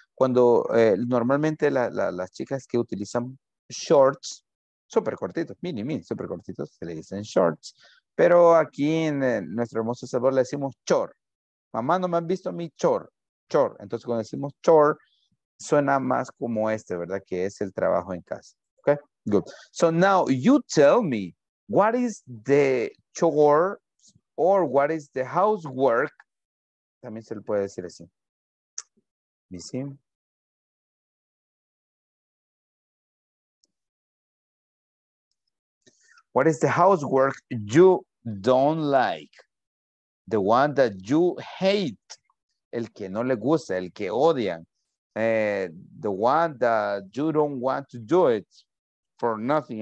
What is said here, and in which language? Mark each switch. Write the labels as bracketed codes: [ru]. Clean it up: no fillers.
[es] Cuando normalmente las chicas que utilizan shorts, súper cortitos, mini, súper cortitos, se le dicen shorts. Pero aquí en nuestro hermoso sabor le decimos chor, mamá no me han visto mi chore. Entonces cuando decimos chore, suena más como este, ¿verdad? Que es el trabajo en casa. [en] Okay, good. So now you tell me, what is the chore or what is the housework? [es] También se le puede decir así. Missy. [en] What is the housework you don't like? The one that you hate. [es] El que no le gusta, el que odian. [en] The one that you don't want to do it for nothing.